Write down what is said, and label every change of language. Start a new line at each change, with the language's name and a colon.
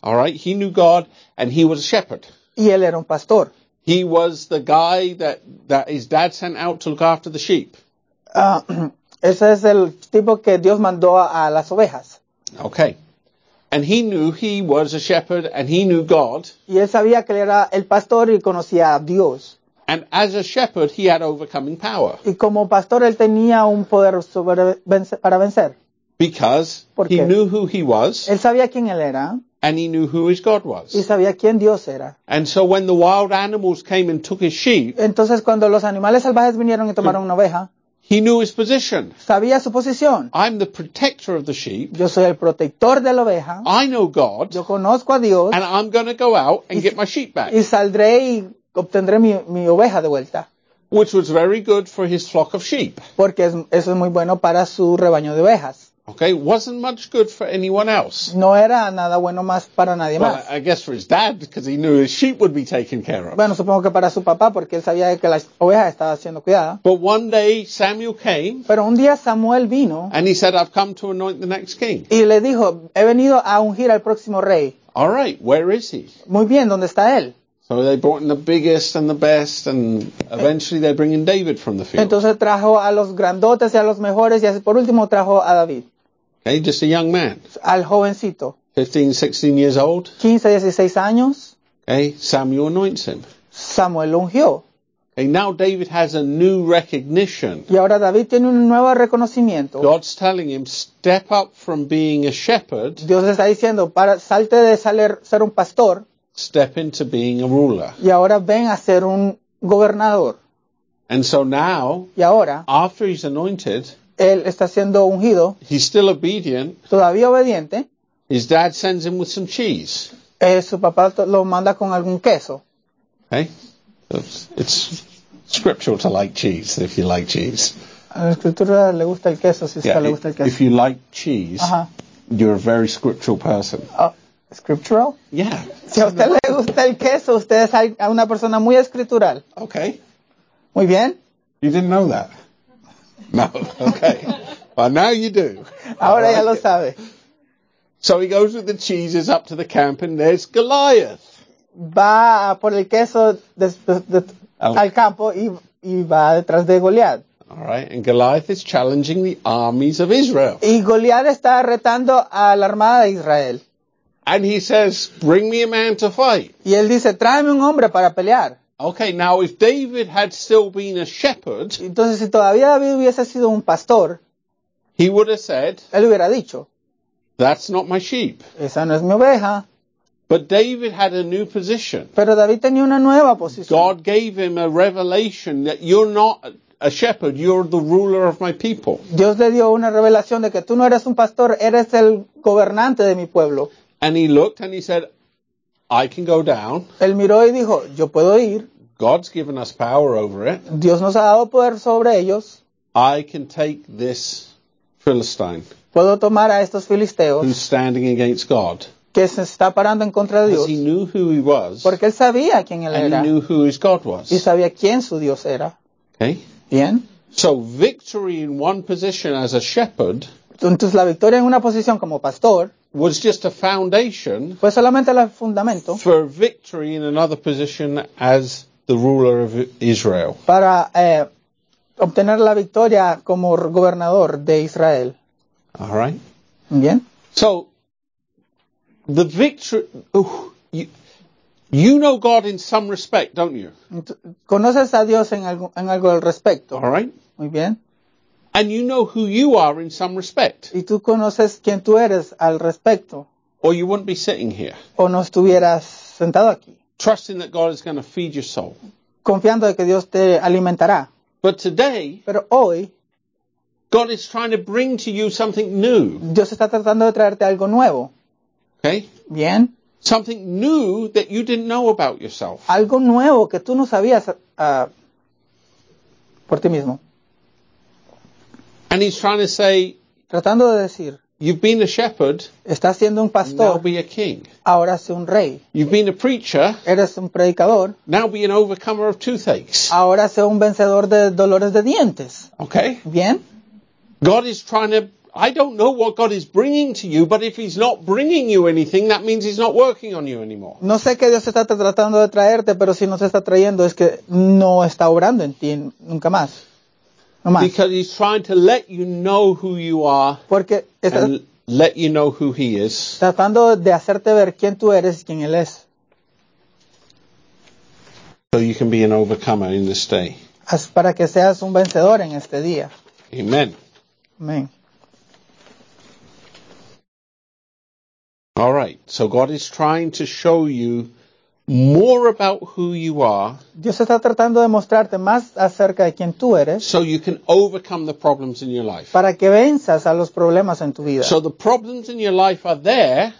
English: All right, he knew God and he was a shepherd.
Spanish: Y él era un pastor.
English: He was the guy that his dad sent out to look after the sheep.
Spanish: Ese es el tipo que Dios mandó a las ovejas.
English: Okay. And he knew he was a shepherd and he knew God.
Spanish: Y él sabía que él era el pastor y conocía a Dios.
English: And as a shepherd, he had overcoming power.
Spanish: Y como pastor, él tenía un poder para vencer.
English: Because he knew who he was.
Spanish: Él sabía quién él era.
English: And he knew who his God was.
Spanish: Y sabía quién Dios era.
English: And so when the wild animals came and took his sheep.
Spanish: Entonces cuando los animales salvajes vinieron y tomaron una oveja.
English: He knew his position.
Spanish: Sabía su posición.
English: I'm the protector of the sheep.
Spanish: Yo soy el protector de la oveja.
English: I know God.
Spanish: Yo conozco a Dios.
English: And I'm going to go out and get my sheep back.
Spanish: Y saldré y obtendré mi oveja de vuelta.
English: Which was very good for his flock of sheep.
Spanish: Porque eso es muy bueno para su rebaño de ovejas.
English: Okay, wasn't much good for anyone else.
Spanish: No era nada bueno más para nadie más.
English: Well, I guess for his dad, because he knew his sheep would be taken care of.
Spanish: Bueno, supongo que para su papá, porque él sabía que la oveja estaba siendo cuidada.
English: But one day Samuel came.
Spanish: Pero un día Samuel vino.
English: And he said, I've come to anoint the next king.
Spanish: Y le dijo, he venido a ungir al próximo rey.
English: All right, where is he?
Spanish: Muy bien, ¿dónde está él?
English: So they brought in the biggest and the best, and eventually they bring in David from the field.
Spanish: Entonces trajo a los grandotes y a los mejores, y por último trajo a David.
English: Okay, just a young man.
Spanish: Al jovencito.
English: 15, 16 years old.
Spanish: 15, 16 años.
English: Okay, Samuel anoints him.
Spanish: Samuel ungió.
English: Okay, now David has a new recognition.
Spanish: Y ahora David tiene un nuevo reconocimiento.
English: God's telling him, step up from being a shepherd.
Spanish: Dios está diciendo, para salte de ser un pastor.
English: Step into being a ruler.
Spanish: Y ahora ven a ser un gobernador.
English: And so now,
Spanish: y ahora,
English: after he's anointed,
Spanish: él está siendo ungido.
English: He's still obedient.
Spanish: Todavía obediente.
English: His dad sends him with some cheese.
Spanish: Su papá lo manda con algún queso.
English: Okay. It's scriptural to like cheese, if you like cheese.
Spanish: A la escritura le gusta el queso, si le gusta el queso.
English: If you like cheese, uh-huh. You're a very scriptural person. Scriptural? Yeah.
Spanish: Si a usted le gusta el queso, usted es una persona muy escritural.
English: Okay.
Spanish: Muy bien.
English: You didn't know that. No, okay. Well, now you do.
Spanish: Ahora ya lo sabe.
English: So he goes with the cheeses up to the camp, and there's Goliath.
Spanish: Va por el queso al campo y va detrás de Goliath.
English: All right, and Goliath is challenging the armies of Israel.
Spanish: Y Goliath está retando a la armada de Israel.
English: And he says, bring me a man to fight.
Spanish: Y él dice, tráeme un hombre para pelear.
English: Okay, now if David had still been a shepherd,
Spanish: entonces si todavía David hubiese sido un pastor,
English: he would have said,
Spanish: él hubiera dicho,
English: that's not my sheep.
Spanish: Esa no es mi oveja.
English: But David had a new position.
Spanish: Pero David tenía una nueva posición.
English: God gave him a revelation that you're not a shepherd, you're the ruler of my people.
Spanish: Dios le dio una revelación de que tú no eres un pastor, eres el gobernante de mi pueblo.
English: And he looked and he said, I can go down.
Spanish: Él miró y dijo, yo puedo ir.
English: God's given us power over it.
Spanish: Dios nos ha dado poder sobre ellos.
English: I can take this Philistine.
Spanish: Puedo tomar a estos filisteos.
English: Who's standing against God.
Spanish: Que se está parando en contra de Dios.
English: He knew who he was.
Spanish: Porque él sabía quién él
English: and
Spanish: era.
English: And he knew who his God was.
Spanish: Y sabía quién su Dios era.
English: Okay.
Spanish: Bien.
English: So victory in one position as a shepherd.
Spanish: Entonces la victoria en una posición como pastor.
English: Was just a foundation.
Spanish: Fue solamente el fundamento.
English: For victory in another position as the ruler of Israel.
Spanish: Para obtener la victoria como gobernador de Israel.
English: All right.
Spanish: Bien.
English: So the victory. You know God in some respect, don't you?
Spanish: Conoces a Dios en algo al respecto.
English: All right.
Spanish: Muy bien.
English: And you know who you are in some respect.
Spanish: Y tú conoces quién tú eres al respecto.
English: Or you wouldn't be sitting here.
Spanish: O no estuvieras sentado aquí.
English: Trusting that God is going to feed your soul.
Spanish: Confiando de que Dios te alimentará.
English: But today.
Spanish: Pero hoy.
English: God is trying to bring to you something new.
Spanish: Dios está tratando de traerte algo nuevo.
English: Okay.
Spanish: Bien.
English: Something new that you didn't know about yourself.
Spanish: Algo nuevo que tú no sabías por ti mismo.
English: And he's trying to say,
Spanish: tratando de decir,
English: you've been a shepherd,
Spanish: estás siendo un pastor,
English: now be a king.
Spanish: Ahora sé un rey.
English: You've been a preacher,
Spanish: eres un predicador,
English: now be an overcomer of toothaches.
Spanish: Ahora sé un vencedor de dolores de dientes.
English: Okay.
Spanish: Bien.
English: God is trying to, I don't know what God is bringing to you, but if he's not bringing you anything, that means he's not working on you anymore.
Spanish: No sé qué Dios está tratando de traerte, pero si no te está trayendo es que no está obrando en ti nunca más.
English: Because he's trying to let you know who you are,
Spanish: porque está,
English: and let you know who he is.
Spanish: Tratando de hacerte ver quién tú eres y quién él es.
English: So you can be an overcomer in this day.
Spanish: As para que seas un vencedor en este día.
English: Amen.
Spanish: Amen.
English: All right. So God is trying to show you more about who you are.
Spanish: Dios está tratando de mostrarte más acerca de quién tú eres.
English: So you can overcome the problems in your life.
Spanish: Para que venzas a los problemas en tu vida.
English: So the problems in your life are there.